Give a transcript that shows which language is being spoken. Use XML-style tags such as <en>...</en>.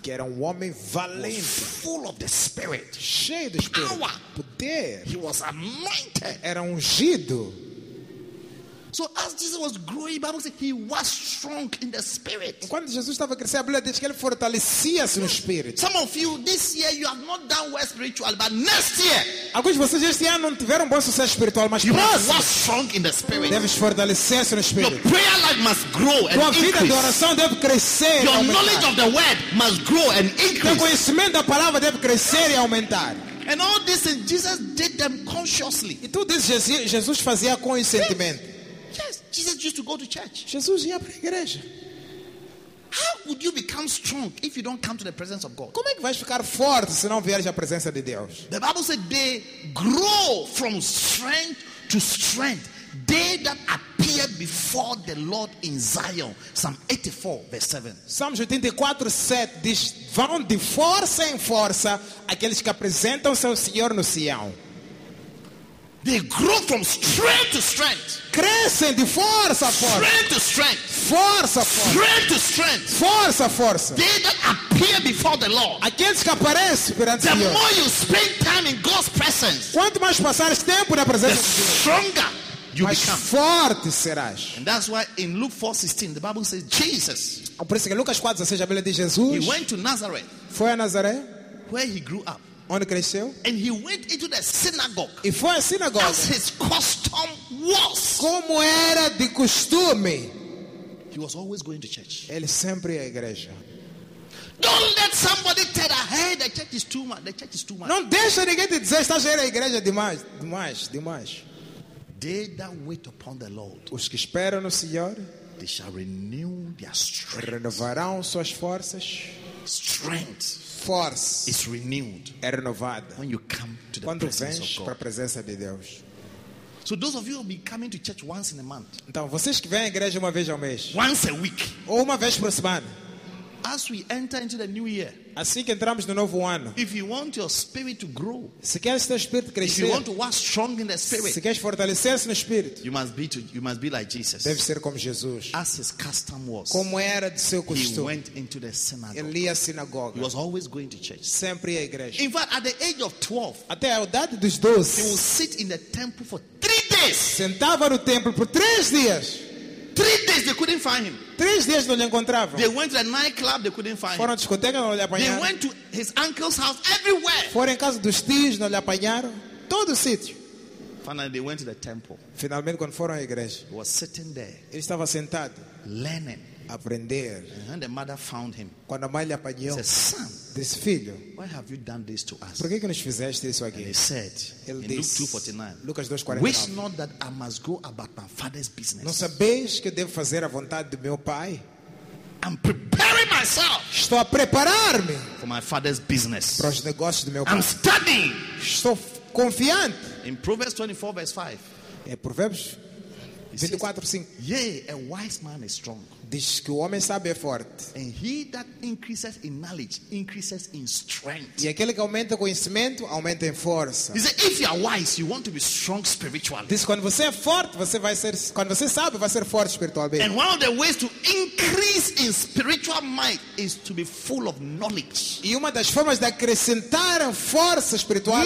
<pt>Que era homem valente.</pt> <en>Full of the spirit.</en> <pt>Cheio do espírito.</pt> <en>Power.</en> <pt>Poder.</pt> <en>He was anointed.</en> <pt>Era ungido.</pt> <en>So as Jesus was growing, Bible says he was strong in the spirit.</en> <pt>Quando Jesus estava a crescer, a Bíblia diz que ele fortalecia-se no espírito.</pt> <en>Some of you this year you have not done well spiritual, but next year.</en> <pt>Alguns de vocês este ano não tiveram bom sucesso espiritual, mas próximo. Deves fortalecer-se no espírito.</pt> <en>Your prayer life must grow and increase.</en> <pt>Tua vida de oração deve crescer.</pt> <en>Your knowledge of the word must grow and increase.</en> <pt>Teu conhecimento da palavra deve crescer e aumentar.</pt> <en>And all this is Jesus did them consciously.</en> <pt>E tudo isso Jesus fazia conscientemente.</pt> <en>Yes, Jesus used to go to church.</en> <pt>Jesus ia para a igreja.</pt> <en>How would you become strong if you don't come to the presence of God?</en> <pt>Como é que vais ficar forte se não vieres à presença de Deus?</pt> <en>The Bible said they grow from strength to strength. They that appear before the Lord in Zion. Psalm 84, verse 7.</en> <pt>Salmos 84, 7 diz: vão de força em força aqueles que apresentam-se ao Senhor no Sião.</pt> <en>They grow from strength to strength.</en> <pt>Crescem de força a força.</pt> <en>Strength to strength.</en> <pt>Força a força.</pt> <en>Strength to strength.</en> <pt>Força a força.</pt> <en>They that appear before the Lord.</en> <pt>Aqueles que aparecem perante</pt> <en>the</en> <pt>Senhor.</pt> <en>The more you spend time in God's presence.</en> <pt>Quanto mais passares tempo na presença de Deus.</pt> <en>Stronger you</en> <pt>mais</pt> <en>become.</en> <pt>Forte serás.</pt> <en>And that's why in Luke 4:16 the Bible says Jesus.</en> <pt>Por isso que Lucas 4:16 a Bíblia diz Jesus.</pt> <en>He went to Nazareth.</en> <pt>Foi a Nazaré.</pt> <en>Where he grew up.</en> <pt>Onde cresceu?</pt> <en>And he went into the synagogue.</en> <pt>E foi à sinagoga.</pt> <en>As his custom was.</en> <pt>Como era de costume.</pt> <en>He was always going to church.</en> <pt>Ele sempre ia à igreja.</pt> <en>Don't let somebody tell her, hey, the church is too much. The church is too much.</en> <pt>Não deixa ninguém te dizer, estás a ir à igreja demais.</pt> <en>They that wait upon the Lord.</en> <pt>Os que esperam no Senhor.</pt> <en>They shall renew their strength.</en> <pt>Renovarão suas forças.</pt> <en>Strength. Force is renewed.</en> <pt>É renovada.</pt> <en>When you come to the presence of God.</en> <pt>Para a presença de Deus.</pt> <en>So those of you who will be coming to church once in a month.</en> <pt>Então vocês que vêm à igreja uma vez ao mês.</pt> <en>Once a week.</en> <pt>Ou uma vez por semana.</pt> <en>As we enter into the new year.</en> <pt>Assim que entramos no novo ano.</pt> <en>If you want your spirit to grow.</en> <pt>Se queres teu espírito crescer.</pt> <en>If you want to walk strong in the spirit.</en> <pt>Se queres fortalecer-se no espírito.</pt> <en>You must be like Jesus.</en> <pt>Deve ser como Jesus.</pt> <en>As his custom was.</en> <pt>Como era de seu costume.</pt> <en>He went into the synagogue.</en> <pt>Ele ia à sinagoga.</pt> <en>He was always going to church.</en> <pt>Sempre ia à igreja.</pt> <en>In fact, at the age of 12.</en> <pt>Até a idade dos 12.</pt> <en>He would sit in the temple for 3 days.</en> <pt>Sentava no templo por 3 dias.</pt> <en>3 days they couldn't find him.</en> <pt>3 dias não lhe encontravam.</pt> <en>They went to the nightclub, they couldn't find him.</en> <pt>Foram à discoteca, não lhe apanharam.</pt> <en>They went to his uncle's house, everywhere.</en> <pt>Foram em casa dos tios, não lhe apanharam. Todo o sítio.</pt> <en>Finally, they went to the temple.</en> <pt>Finalmente, quando foram à igreja,</pt> <en>he was sitting there.</en> <pt>Ele estava sentado.</pt> <en>Learning.</en> <pt>Aprender.</pt> <en>And the mother found him.</en> <pt>Quando a mãe lhe apanhou,</pt> <en>he said, son,</en> <pt>disse, filho,</pt> <en>why have you done this to us?</en> <pt>Por que nos fizeste isso aqui?</pt> <en>And he said,</en> <pt>ele disse,</pt> <en>Luke 2:49,</en> <pt>Lucas 2:49,</pt> <en>wish not that I must go about my father's business.</en> <pt>Não sabes que eu devo fazer a vontade do meu pai?</pt> <en>I'm preparing myself.</en> <pt>Estou a preparar-me</pt> <en>for my father's business.</en> <pt>Para os negócios do meu pai.</pt> <en>I'm studying.</en> <pt>Estou confiante.</pt> <en>In Proverbs 24:5.</en> <pt>É Provérbios 24:5.</pt> <en>Yea, a wise man is strong.</en> <pt>Diz que o homem sabe é forte.</pt> <en>And he that increases in knowledge increases in strength.</en> <pt>E aquele que aumenta conhecimento aumenta em força.</pt> <en>He said, if you are wise, you want to be strong spiritually.</en> <pt>Diz quando você é forte, você vai ser. Quando você sabe, vai ser forte espiritualmente.</pt> <en>And one of the ways to increase in spiritual might is to be full of knowledge.</en> <pt>E uma das formas de acrescentar força espiritual</pt>